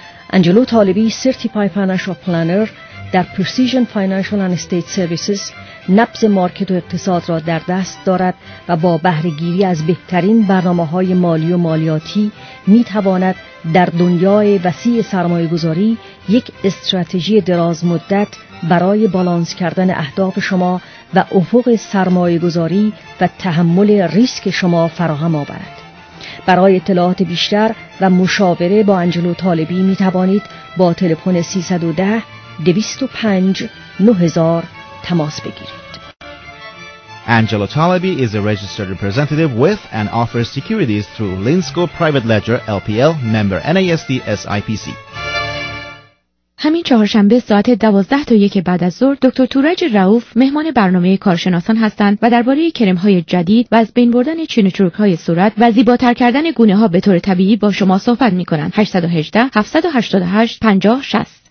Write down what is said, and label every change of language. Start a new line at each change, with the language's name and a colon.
Persian: انجلو طالبی، سرتیفای فاینانشال پلانر در پرسیژن فاینانشال اند استیت سرویسز، نبض مارکت و اقتصاد را در دست دارد و با بهره گیری از بهترین برنامه‌های مالی و مالیاتی می‌تواند در دنیای وسیع سرمایه گذاری یک استراتژی دراز مدت برای بالانس کردن اهداف شما و افق سرمایه گذاری و تحمل ریسک شما فراهم آورد. برای اطلاعات بیشتر و مشاوره با انجلو طالبی می توانید با تلفن 310-205-9000 تماس بگیرید.
English: Angelo Talabi is a registered representative with and offers securities through Linsco Private Ledger LPL member NASD SIPC.
Persian: همین چهارشنبه ساعت 12 تا 1 بعد از ظهر دکتر تورج رعوف مهمان برنامه کارشناسان هستند و درباره کرم‌های جدید و از بین بردن چین و چروک‌های صورت و زیباتر کردن گونه‌ها به طور طبیعی با شما صحبت می‌کنند. 818-788-5060.